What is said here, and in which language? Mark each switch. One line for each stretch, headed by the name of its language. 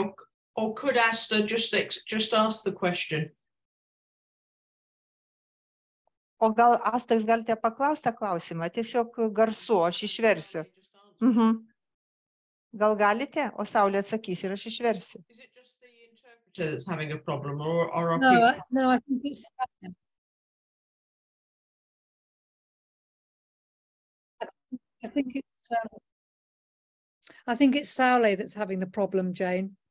English: Okay, or could Asta just ask the question?
Lithuanian: O gal Asta, jūs galite paklausti klausimą, tiesiog garsu, aš išversiu. Mhm. Gal galite, o Saulė atsakys ir aš išversiu.
English: Is it just the interpreter that's having a problem or are people? No, I think it's I think it's Saule that's having the problem, Jane.